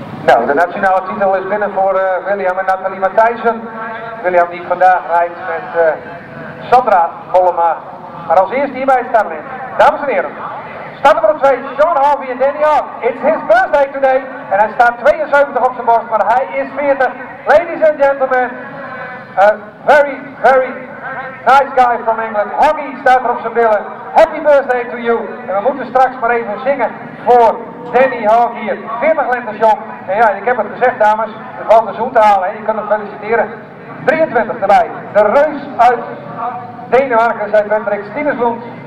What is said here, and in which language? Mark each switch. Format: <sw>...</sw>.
<nl>Nou, de nationale titel is binnen voor William en Nathalie Matthijssen. William die vandaag rijdt met Sandra Hollema. Maar als eerste hierbij starten is. Dames en heren, start nummer 2, Sean Harvey en Danny Hart.</nl> <en>It's his birthday today.</en> <nl>En hij staat 72 op zijn borst, maar hij is 40.</nl> <en>Ladies and gentlemen, a very, very nice guy from England.</en> <nl>Hoggy staat er op zijn billen.</nl> <en>Happy birthday to you.</en> <nl>En we moeten straks maar even zingen voor Danny Hart hier. 40 lente, Sean. En ja, ik heb het gezegd, dames. Het valt de zoen te halen. Je kunt hem feliciteren. 23 erbij. De reus uit Denemarken, zei Bendrik Stinesloen.</nl>